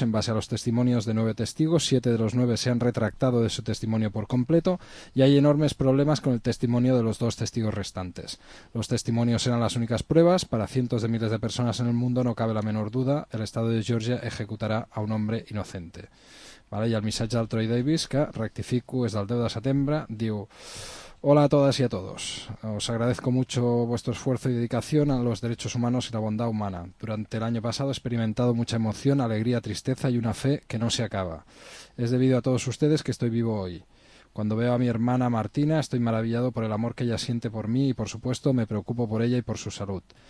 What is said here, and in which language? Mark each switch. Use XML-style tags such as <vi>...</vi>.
<es>En base a los testimonios de 9 testigos, 7 de los 9 se han retractado de su testimonio por completo y hay enormes problemas con el testimonio de los 2 testigos restantes. Los testimonios eran las únicas pruebas. Para cientos de miles de personas en el mundo no cabe la menor duda, el estado de Georgia ejecutará a un hombre inocente.</es> <ca>Vale, i el missatge del Troy Davis, que rectifico, és del 10 de setembre, diu:</ca> <es>hola a todas y a todos. Os agradezco mucho vuestro esfuerzo y dedicación a los derechos humanos y la bondad humana. Durante el año pasado he experimentado mucha emoción, alegría, tristeza y una fe que no se acaba. Es debido a todos ustedes que estoy vivo hoy. Cuando veo a mi hermana Martina, estoy maravillado por el amor que ella siente por mí y, por supuesto, me preocupo por ella y por su salud.</es>